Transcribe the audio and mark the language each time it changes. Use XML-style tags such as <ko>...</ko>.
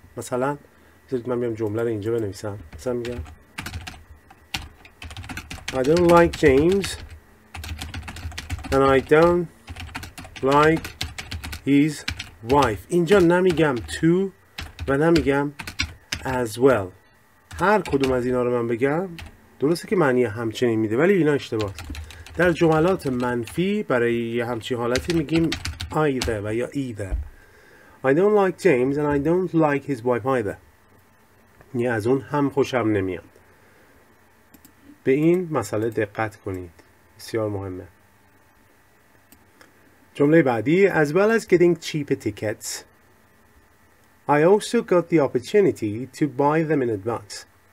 <fa>مثلا من میام جمله رو اینجا بنویسم، مثلا میگم</fa> <en>I don't like James and I don't like his wife.</en> <fa>اینجا نمیگم to و نمیگم as well. هر کدوم از اینا رو من بگم درسته که معنی همچنین میده، ولی اینا اشتباه است. در جملات منفی برای همچین حالتی میگیم either و یا either.</fa> <en>I don't like James and I don't like his wife either.</en> <fa>یعنی از اون هم خوشم نمیاد. به این مسئله دقت کنید، بسیار مهمه. جمله بعدی</fa> <en>as well as getting cheap tickets I also got the opportunity to buy them in advance.</en>